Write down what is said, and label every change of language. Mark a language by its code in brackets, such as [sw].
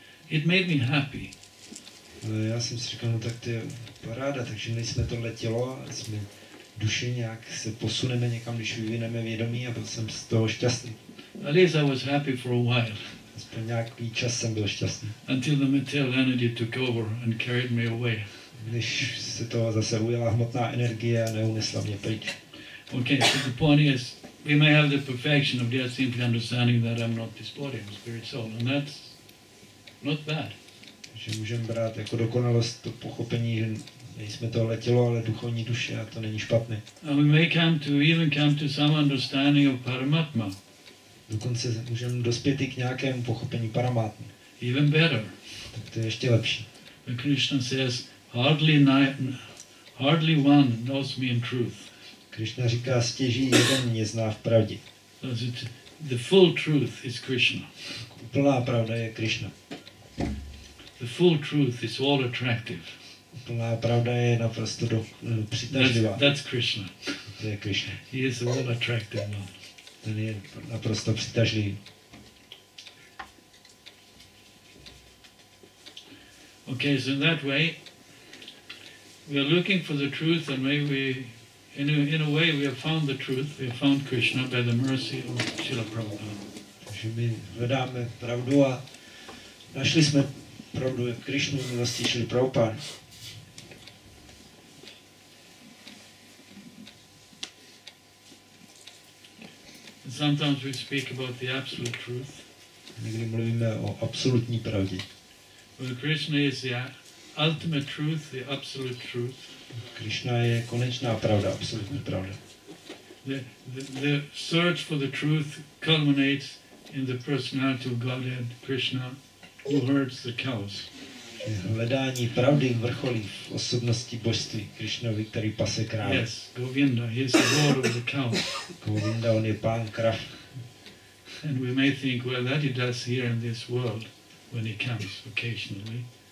[en] It made me happy. [cs] Já jsem si říkal, no, tak to je paráda, takže nejsme tohle tělo, jsme duše, nějak se posuneme někam, když vyvineme vědomí, a byl jsem z toho šťastný. [en] At least I was happy for a while. [cs] Aspoň nějaký čas jsem byl šťastný. [en] Until the material energy took over and carried me away. [cs] Než se to zase ujela hmotná energie a neunesla mě pryč. [en] Okay, so the point is, we may have the perfection of just simply understanding that I'm not this body, I'm spirit soul, and that's not bad. [cs] Že můžeme brát jako dokonalost to pochopení, že nejsme tohle tělo, ale duchovní duše, a to není špatné. [en] And we may come to, even come to some understanding of Paramatma. [cs] Dokonce můžeme dospět i k nějakému pochopení Paramatmy. [en] Even better. [cs] Tak to je ještě lepší. [en] When Krishna says, Hardly one knows me in truth. [cs] Krishna říká, stěží jeden mě zná v pravdě. [en] The full truth is Krishna. [cs] Úplná pravda je Krishna. [en] The full truth is all attractive. [cs] Úplná pravda je naprosto přitažlivá. [en] That's Krishna. [cs] To je Krishna. [en] He is all attractive one. [cs] Ten je naprosto přitažlivý. [en] Okay, so in that way, we are looking for the truth, and maybe we, in a way we have found the truth, we have found Krishna by the mercy of Srila Prabhupada. [cs] Že my hledáme pravdu a našli jsme pravdu v Krishnu, v milosti Srila Prabhupada. [en] Sometimes we speak about the absolute truth. [cs] Někdy mluvíme o absolutní pravdě. [en] Well, Krishna is ultimate truth, the absolute truth. [cs] Krishna je konečná pravda, absolutní pravda. [en] The search for the truth culminates in the personality of Godhead, Krishna, who herds the cows. [cs] Hledání pravdy vrcholí v osobnosti božství Krishnovi, který pase krávy. [en] Yes, Govinda, he is the lord of the cows. [cs] Govinda, on je pán krav. [en] And we may think, well, that he does here in this world when he comes occasionally.